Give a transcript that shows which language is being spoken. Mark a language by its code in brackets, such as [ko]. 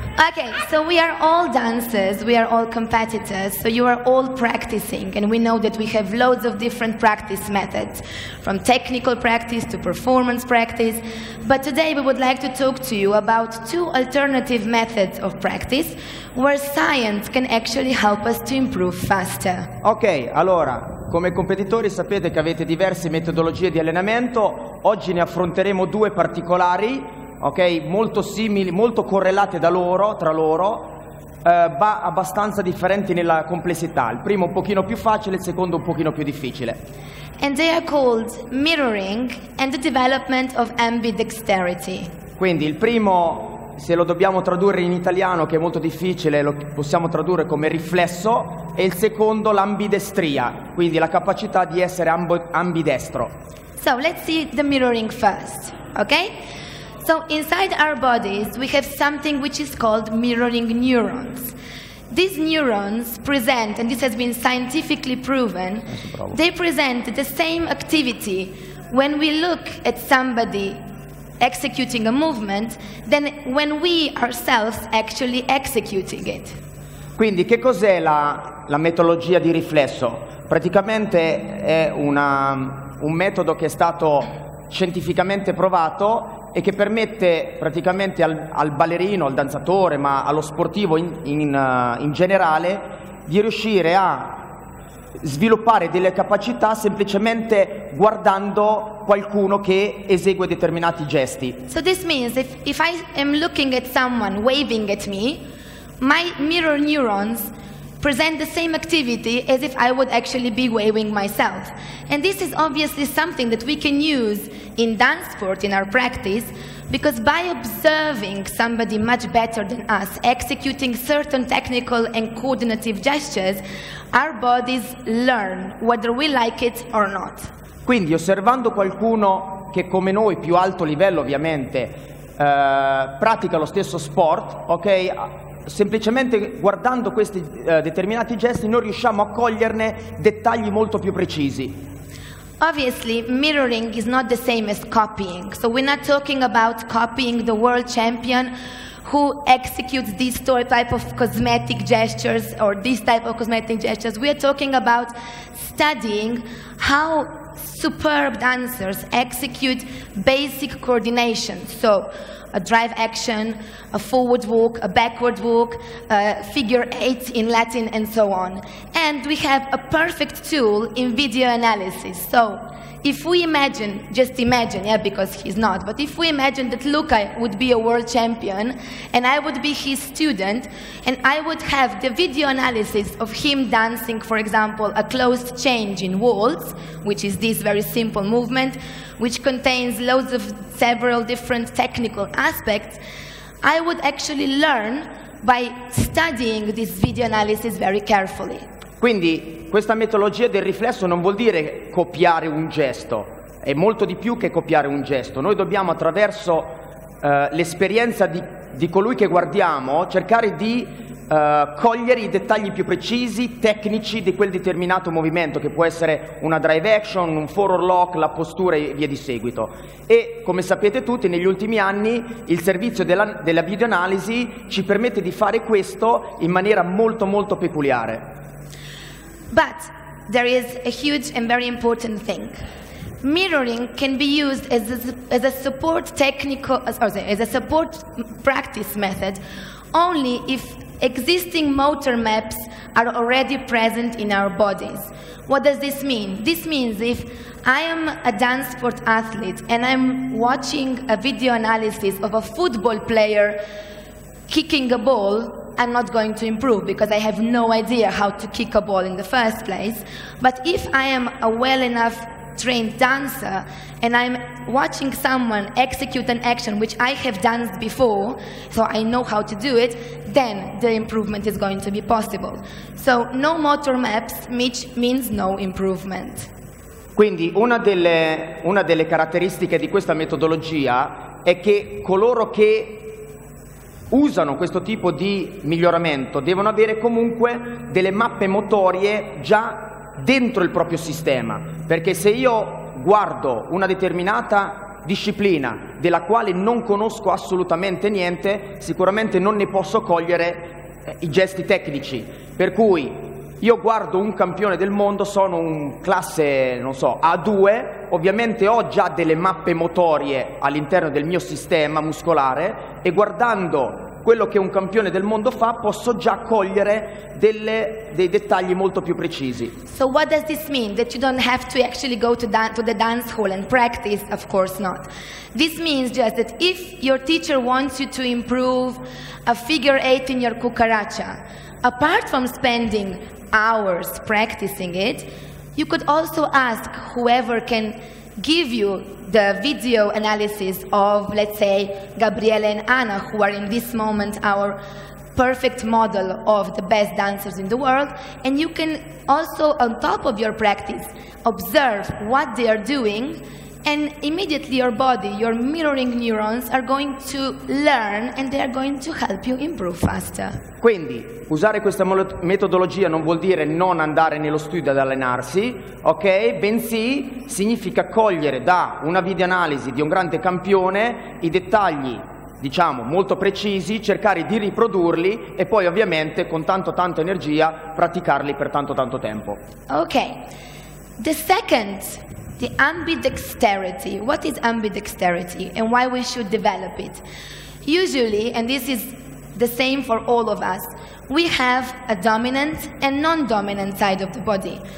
[en] Okay, so we are all dancers, we are all competitors, so you are all practicing, and we know that we have loads of different practice methods, from technical practice to performance practice. But today we would like to talk to you about two alternative methods of practice where science can actually help us to improve faster. [it] Okay, allora, come competitori sapete che avete diverse metodologie di allenamento. Oggi ne affronteremo due particolari, ok, molto simili, molto correlate da loro, tra loro, ma abbastanza differenti nella complessità. Il primo un pochino più facile, il secondo un pochino più difficile. [en] And they are called mirroring and the development of ambidexterity. [it] Quindi il primo, se lo dobbiamo tradurre in italiano, che è molto difficile, lo possiamo tradurre come riflesso, e il secondo l'ambidestria, quindi la capacità di essere ambidestro. [en] So let's see the mirroring first, okay? So inside our bodies we have something which is called mirroring neurons. These neurons present, and this has been scientifically proven, they present the same activity when we look at somebody executing a movement than when we ourselves actually executing it. [it] Quindi che cos'è la metodologia di riflesso? Praticamente è un metodo che è stato scientificamente provato e che permette praticamente al ballerino, al danzatore, ma allo sportivo in generale, di riuscire a sviluppare delle capacità semplicemente guardando qualcuno che esegue determinati gesti. [en] So this means if I am looking at someone waving at me, my mirror neurons present the same activity as if I would actually be waving myself. And this is obviously something that we can use in dance sport, in our practice, because by observing somebody much better than us executing certain technical and coordinative gestures, our bodies learn whether we like it or not. [it] Quindi osservando qualcuno che come noi, più alto livello ovviamente, pratica lo stesso sport, ok? Semplicemente guardando questi determinati gesti non riusciamo a coglierne dettagli molto più precisi. [en] Obviously, mirroring is not the same as copying. So we're not talking about copying the world champion who executes this type of cosmetic gestures or this type of cosmetic gestures. We are talking about studying how superb dancers execute basic coordination. So a drive action, a forward walk, a backward walk, figure eight in Latin, and so on. And we have a perfect tool in video analysis. So if we imagine, just imagine, yeah, because he's not, but if we imagine that Luca would be a world champion and I would be his student and I would have the video analysis of him dancing, for example, a closed change in waltz, which is this very simple movement, which contains loads of several different technical aspects, I would actually learn by studying this video analysis very carefully. [it] Quindi questa metodologia del riflesso non vuol dire copiare un gesto, è molto di più che copiare un gesto. Noi dobbiamo attraverso l'esperienza di colui che guardiamo cercare di cogliere i dettagli più precisi, tecnici di quel determinato movimento, che può essere una drive action, un forward lock, la postura e via di seguito. E come sapete tutti, negli ultimi anni il servizio della videoanalisi ci permette di fare questo in maniera molto molto peculiare. [en] But there is a huge and very important thing. Mirroring can be used as a support practice method only if existing motor maps are already present in our bodies. What does this mean? This means if I am a dance sport athlete and I'm watching a video analysis of a football player kicking a ball, I'm not going to improve because I have no idea how to kick a ball in the first place. But if I am a well enough trained dancer and I'm watching someone execute an action which I have danced before, so I know how to do it, then the improvement is going to be possible. So no motor maps, Mitch, means no improvement. [it] Quindi una delle caratteristiche di questa metodologia è che coloro che usano questo tipo di miglioramento devono avere comunque delle mappe motorie già dentro il proprio sistema, perché se io guardo una determinata disciplina della quale non conosco assolutamente niente, sicuramente non ne posso cogliere i gesti tecnici. Per cui io guardo un campione del mondo, sono un classe, non so, A2, ovviamente ho già delle mappe motorie all'interno del mio sistema muscolare e guardando quello che un campione del mondo fa posso già cogliere dei dettagli molto più precisi. [en] So what does this mean? That you don't have to actually go to the dance hall and practice? Of course not. This means just that if your teacher wants you to improve a figure eight in your cucaracha, apart from spending hours practicing it, you could also ask whoever can give you the video analysis of, let's say, Gabriele and Anna, who are in this moment our perfect model of the best dancers in the world, and you can also, on top of your practice, observe what they are doing, and immediately your body, your mirroring neurons, are going to learn and they are going to help you improve faster. [it] Quindi, usare questa metodologia non vuol dire non andare nello studio ad allenarsi, ok? Bensì, significa cogliere da una video analisi di un grande campione i dettagli, diciamo, molto precisi, cercare di riprodurli e poi, ovviamente, con tanta energia, praticarli per tanto tempo. [en] Ok, the second, the ambidexterity. What is ambidexterity and why we should develop it? Usually, and this is the same for all of us, we have a dominant and non-dominant side of the body.